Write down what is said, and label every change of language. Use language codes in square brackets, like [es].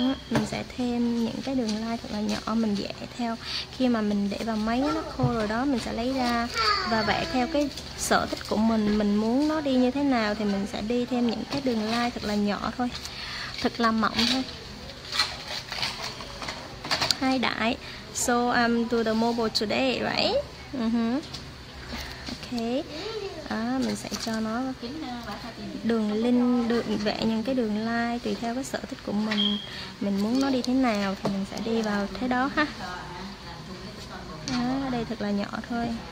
[vi] mình sẽ thêm những cái đường line thật là nhỏ, mình vẽ theo khi mà mình để vào máy nó khô rồi đó, mình sẽ lấy ra và vẽ theo cái sở thích của mình. Mình muốn nó đi như thế nào thì mình sẽ đi thêm những cái đường line thật là nhỏ thôi, thật là mỏng thôi. [en] Hi Đại, so I'm do the mobile today, right? Okay. [vi] Mình sẽ cho nó đường link, được vẽ những cái đường line tùy theo cái sở thích của mình. Mình muốn nó đi thế nào thì mình sẽ đi vào thế đó ha. Đây thật là nhỏ thôi.